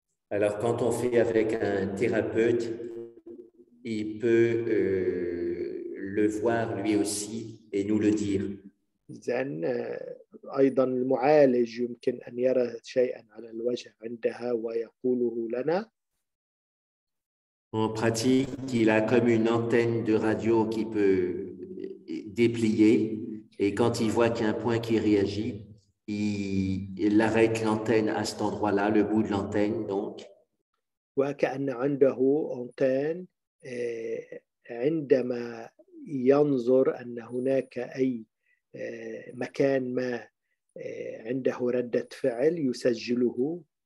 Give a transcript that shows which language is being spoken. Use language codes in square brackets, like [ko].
[fr] Alors, quand on fait avec un thérapeute, il peut le voir lui aussi et nous le dire. [ar] إذن أيضا المعالج يمكن أن يرى شيئا على الوجه عندها ويقوله لنا. [fr] En pratique, il a comme une antenne de radio qui peut déplier et quand il voit qu'il y a un point qui réagit, il arrête l'antenne à cet endroit-là, le bout de l'antenne, donc. [ar] وكأن عنده أنتان عندما ينظر أن هناك أي مكان ما عنده ردة فعل يسجله.